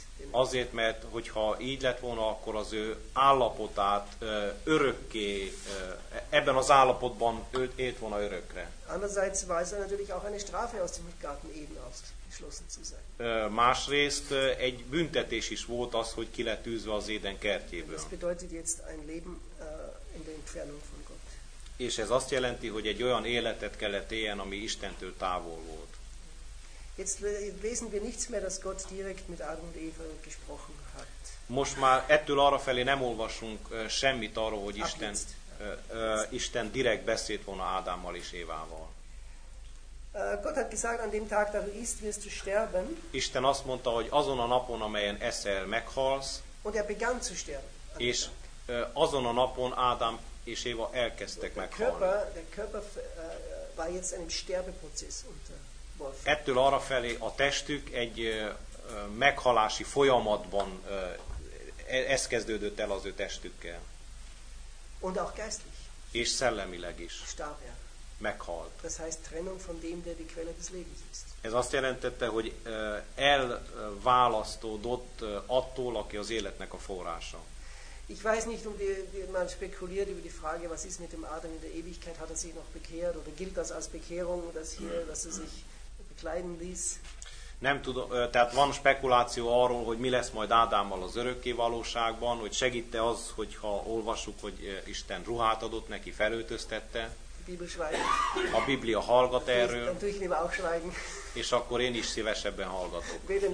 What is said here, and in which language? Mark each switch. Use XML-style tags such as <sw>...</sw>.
<hu>Azért, mert hogyha így lett volna, akkor az ő állapotát örökké, ebben az állapotban élt volna örökre.</hu> <de>Andererseits war es natürlich auch eine Strafe, aus dem Garten Eden ausgeschlossen zu sein.</de> <hu>Másrészt egy büntetés is volt az, hogy ki lett tűzve az Éden kertjéből.</hu> <de>Das bedeutet jetzt ein Leben in der Entfernung von Gott.</de> <hu>És ez azt jelenti, hogy egy olyan életet kellett éljen, ami Istentől távol volt.</hu> <de>Jetzt lesen wir nichts mehr, dass Gott direkt mit Adam und Eva gesprochen hat.</de> <hu>Most már ettől arra felé nem olvasunk semmit arról, hogy Isten Isten direkt beszélt volna Ádámmal és Évával.</hu> <de>Gott hat gesagt, an dem Tag, da du isst, wirst du sterben.</de> <hu>Isten azt mondta, hogy azon a napon, amelyen eszel, meghalsz.</hu> <de>Und er begann zu sterben.</de> <hu>És azon a napon Ádám és Éva elkezdtek meghalni.</hu> <de>Der Körper war jetzt einem Sterbeprozess unter.</de> <hu>Ettől arra felé a testük egy meghalási folyamatban ez kezdődött el az ő testükkel.</hu> <de>Und auch geistlich.</de> <hu>És szellemileg is.</hu> <de>Starb, ja.</de> <hu>Meghalt.</hu> <de>Das heißt Trennung von dem, der die Quelle des Lebens ist.</de> <hu>Ez azt jelentette, hogy elválasztódott attól, aki az életnek a forrása.</hu> <de>Ich weiß nicht, ob man spekuliert über die Frage, was ist mit dem Adam in der Ewigkeit, hat er sich noch bekehrt oder gilt das als Bekehrung, dass hier, dass er sich leiden ließ.</de> <hu>Nem tudom, tehát van spekuláció arról, hogy mi lesz majd Ádámmal az örökké valóságban, hogy segít-e az, hogyha olvassuk, hogy Isten ruhát adott neki, felöltöztette. A Biblia hallgat erről. És akkor én is szívesebben hallgatok.</hu>